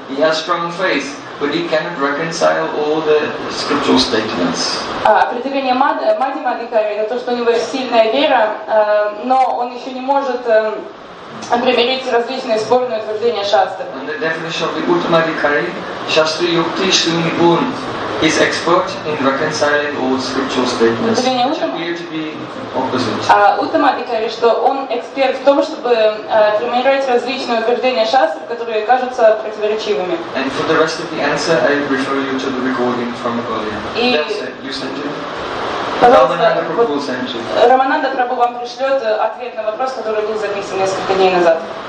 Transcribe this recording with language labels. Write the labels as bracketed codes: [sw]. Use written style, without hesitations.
[en] He has strong faith, but he cannot reconcile all the scriptural statements. [ru] Определение Madhyama Adhikari — это то, что у него есть сильная вера, но он еще не может примирить различные спорные утверждения Шастры. [en] And the definition of the Uttama Adhikari, Shastra Yukti Shuni Bun, is expert in reconciling all scriptural statements, which appear to be opposite. [ru] Uttama Adhikari, что он эксперт в том, чтобы примирять различные утверждения Шастры, которые кажутся противоречивыми. [en] And for the rest of the answer, I refer you to the recording from earlier. That's it. You sent it? [ru] Пожалуйста, Рамананда Прабху вам пришлет ответ на вопрос, который был записан несколько дней назад.